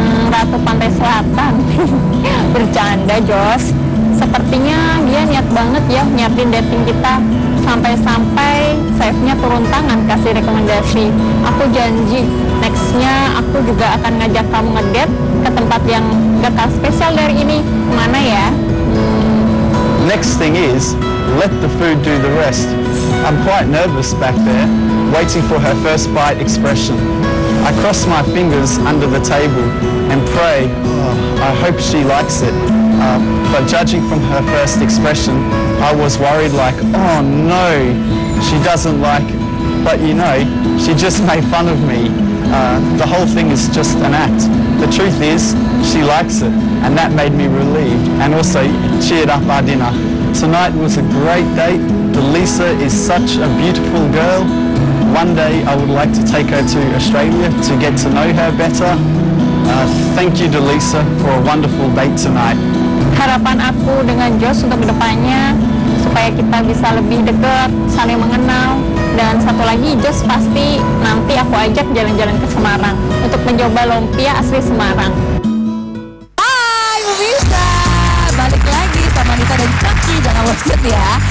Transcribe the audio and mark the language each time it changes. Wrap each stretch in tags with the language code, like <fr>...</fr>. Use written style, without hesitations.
<id>Ratu Pantai Selatan. Bercanda, Jos. Sepertinya dia niat banget ya nyiapin dating kita. Sampai-sampai chef-nya turun tangan kasih rekomendasi. Aku janji, next-nya aku juga akan ngajak kamu ngedate ke tempat yang kekal spesial dari ini. Kemana ya?</id> <en>Next thing is, let the food do the rest. I'm quite nervous back there, waiting for her first bite expression. I cross my fingers under the table and pray, I hope she likes it. But judging from her first expression, I was worried like, oh no, she doesn't like it. But you know, she just made fun of me. The whole thing is just an act. The truth is, she likes it, and that made me relieved, and also cheered up our dinner. Tonight was a great date. Delisa is such a beautiful girl. One day I would like to take her to Australia to get to know her better. Thank you, Delisa, for a wonderful date tonight.</en> <id>Harapan aku dengan Josh untuk kedepannya, supaya kita bisa lebih dekat, saling mengenal. Dan satu lagi, Josh pasti nanti aku ajak jalan-jalan ke Semarang untuk mencoba lumpia asli Semarang. Hai, pemirsa! Balik lagi sama Nita dan Caki, jangan lupa ya.</id>